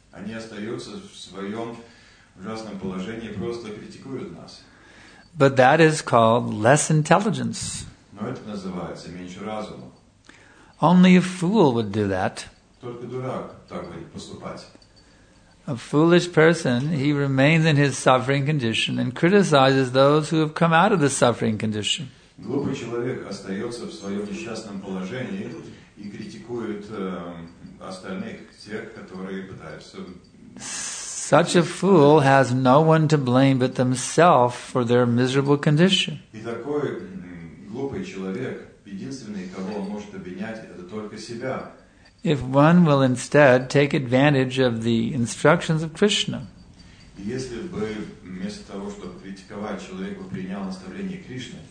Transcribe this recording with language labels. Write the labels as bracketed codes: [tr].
[ru] Они остаются в своем ужасном положении и просто критикуют нас. [en] But that is called less intelligence. [ru] Но это называется меньше разума. [en] Only a fool would do that. [ru] Только дурак так бы поступать. [en] A foolish person, he remains in his suffering condition and criticizes those who have come out of the suffering condition. [ru] Глупый человек остается в своем несчастном положении и критикует остальных, тех, которые пытаются. [en] Such a fool has no one to blame but themselves for their miserable condition. [ru] И такой глупый человек, единственный, кого он может обвинять, это только себя. [en] If one will instead take advantage of the instructions of Krishna, [ru] если бы вместо того, чтобы критиковать человека, принял наставление Кришны,